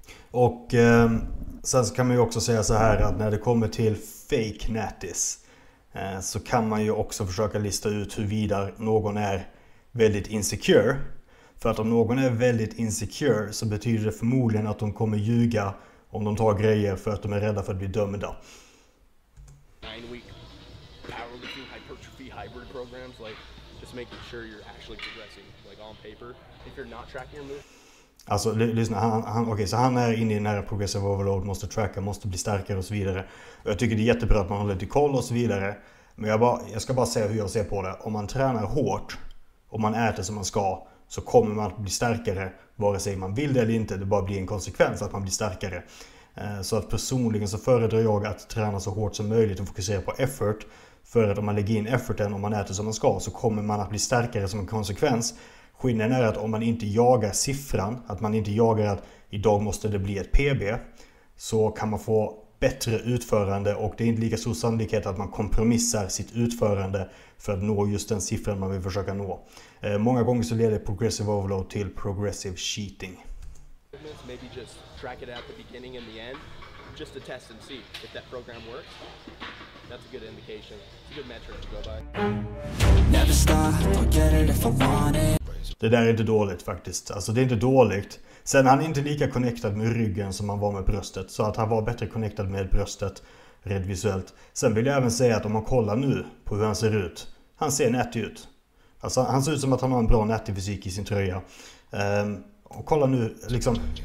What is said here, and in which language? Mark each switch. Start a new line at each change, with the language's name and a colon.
Swedish: Och sen så kan man ju också säga så här att när det kommer till fake natties så kan man ju också försöka lista ut hur vidare någon är väldigt insecure. För att om någon är väldigt insecure så betyder det förmodligen att de kommer ljuga om de tar grejer för att de är rädda för att bli dömda.
English: 9-week powerlifting hypertrophy hybrid programs, like just making sure you're actually progressing, like on paper, if you're not tracking your movement.
Swedish: Alltså, lyssna, okej, så han är inne i den här progressive overload, måste tracka, måste bli starkare och så vidare. Och jag tycker det är jättebra att man håller lite koll och så vidare. Men jag ska bara säga hur jag ser på det. Om man tränar hårt, och man äter som man ska, så kommer man att bli starkare, vare sig man vill det eller inte. Det bara blir en konsekvens att man blir starkare. Så att personligen så föredrar jag att träna så hårt som möjligt och fokusera på effort. För att om man lägger in efforten och man äter som man ska, så kommer man att bli starkare som en konsekvens. Skillnaden är att om man inte jagar siffran, att man inte jagar att idag måste det bli ett PB, så kan man få bättre utförande och det är inte lika stor sannolikhet att man kompromissar sitt utförande för att nå just den siffran man vill försöka nå. Många gånger så leder progressive overload till progressive cheating.
English: Maybe just track it at the beginning and the end, just to test and see if that program works. That's a good indication. It's a good metric to go by. Never stop, forget it if I want it.
Swedish: Det där är inte dåligt faktiskt. Alltså det är inte dåligt. Sen han är inte lika connectad med ryggen som han var med bröstet. Så att han var bättre connectad med bröstet rent visuellt. Sen vill jag även säga att om man kollar nu på hur han ser ut. Han ser nättig ut. Alltså han ser ut som att han har en bra nättig fysik i sin tröja. Och kolla nu liksom.